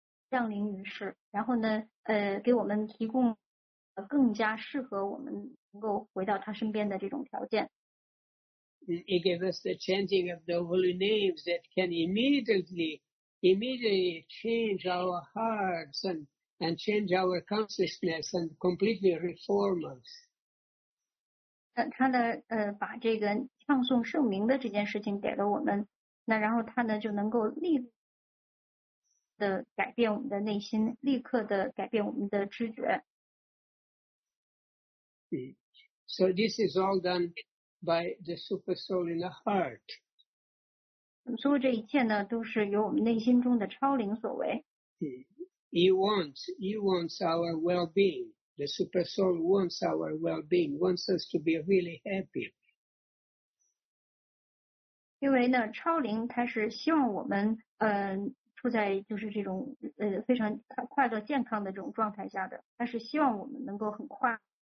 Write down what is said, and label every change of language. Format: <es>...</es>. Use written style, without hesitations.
<zh>降临于世，然后呢，给我们提供更加适合我们能够回到他身边的这种条件。</zh> <en>He gave us the chanting of the holy names that can immediately change our hearts and change our consciousness and completely reform us.</en> <zh>他的把这个唱诵圣名的这件事情给了我们，那然后他呢就能够立刻的改变我们的内心，立刻的改变我们的知觉。</zh> <en>So this is all done by the super soul in the heart.</en> <zh>所有这一切呢都是由我们内心中的超灵所为。</zh> <en>He wants our well-being. The super soul wants our well-being, wants us to be really happy.</en> <zh>因为呢超灵它是希望我们处在就是这种非常快乐健康的这种状态下的，它是希望我们能够很快乐。</zh>